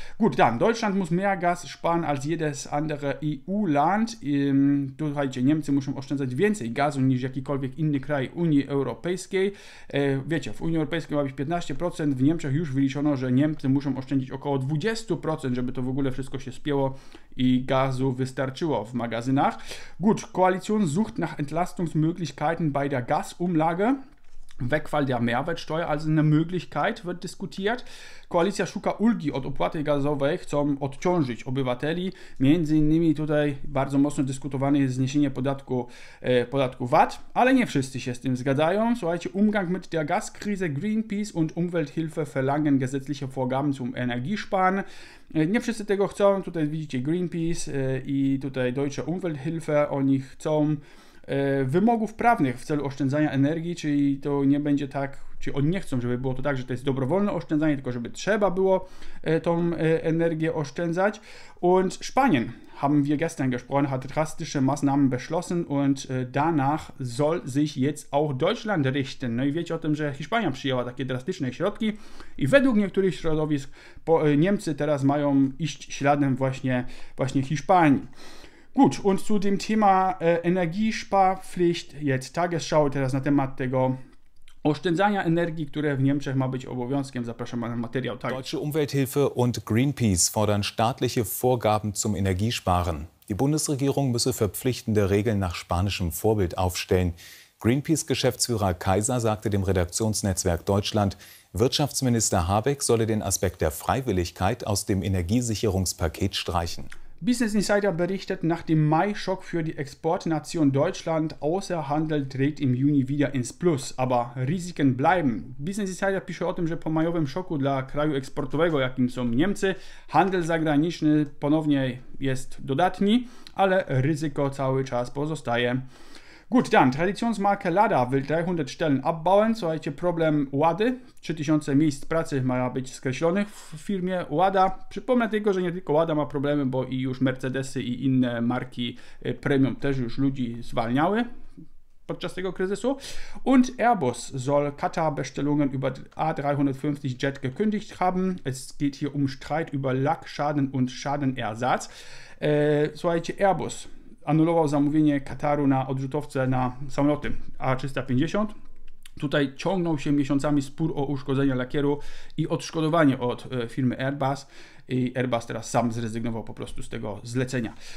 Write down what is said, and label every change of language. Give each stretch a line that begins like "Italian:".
German: Gut, dann, Deutschland muss mehr Gas sparen als jedes andere EU-Land.
Polish: Słuchajcie, Niemcy muszą oszczędzać więcej gazu niż jakikolwiek inny kraj Unii Europejskiej. Wiecie, w Unii Europejskiej ma być 15%, w Niemczech już wyliczono, że Niemcy muszą oszczędzić około 20%, żeby to w ogóle wszystko się spięło i gazu wystarczyło w magazynach.
German: Gut, Koalition sucht nach Entlastungsmöglichkeiten bei der Gasumlage. Wegfall der Mehrwertsteuer, also eine Möglichkeit, wird diskutiert.
Polish: Koalicja szuka ulgi od opłaty gazowej, chcą odciążyć obywateli. Między innymi tutaj bardzo mocno dyskutowane jest zniesienie podatku VAT, ale nie wszyscy się z tym zgadzają.
German: Słuchajcie, Umgang mit der Gaskrise, Greenpeace und Umwelthilfe verlangen gesetzliche Vorgaben zum Energiesparen.
Polish: Nie wszyscy tego chcą, tutaj widzicie Greenpeace i tutaj Deutsche Umwelthilfe, oni chcą wymogów prawnych w celu oszczędzania energii, czyli to nie będzie tak, czy oni nie chcą, żeby było to tak, że to jest dobrowolne oszczędzanie, tylko żeby trzeba było tą energię oszczędzać.
German: Und Spanien, haben wir gestern gesprochen, hat drastische Maßnahmen beschlossen und danach soll sich jetzt auch Deutschland richten.
Polish: No i wiecie o tym, że Hiszpania przyjęła takie drastyczne środki i według niektórych środowisk Niemcy teraz mają iść śladem właśnie Hiszpanii.
German: Gut, und zu dem Thema Energiesparpflicht, jetzt Tagesschau,
Polish: teraz na temat tego oszczędzania energii, które w Niemczech ma być obowiązkiem. Zapraszam na materiał.
German: Deutsche Umwelthilfe und Greenpeace fordern staatliche Vorgaben zum Energiesparen. Die Bundesregierung müsse verpflichtende Regeln nach spanischem Vorbild aufstellen. Greenpeace-Geschäftsführer Kaiser sagte dem Redaktionsnetzwerk Deutschland, Wirtschaftsminister Habeck solle den Aspekt der Freiwilligkeit aus dem Energiesicherungspaket streichen. Business Insider berichtet, nach dem Mai-Schock für die Exportnation Deutschland, Außerhandel dreht im Juni wieder ins Plus. Aber Risiken bleiben.
Polish: Business Insider pisze o tym, że po majowym szoku dla kraju eksportowego, jakim są Niemcy, handel zagraniczny ponownie jest dodatni, ale ryzyko cały czas pozostaje.
German: Gut, dann, Traditionsmarke Lada will 300 Stellen abbauen.
Polish: Słuchajcie, Problem Łady. 3000 miejsc pracy ma być skreślonych w firmie Łada. Przypomnę tylko, że nie tylko Łada ma problemy, bo i już Mercedesy i inne marki premium też już ludzi zwalniały podczas tego kryzysu.
German: Und Airbus soll Katar-Bestellungen über A350 Jet gekündigt haben. Es geht hier um Streit über Lackschaden und Schadenersatz.
Polish: Słuchajcie, Airbus anulował zamówienie Kataru na odrzutowce na samoloty A350. Tutaj ciągnął się miesiącami spór o uszkodzenia lakieru i odszkodowanie od firmy Airbus. I Airbus teraz sam zrezygnował po prostu z tego zlecenia.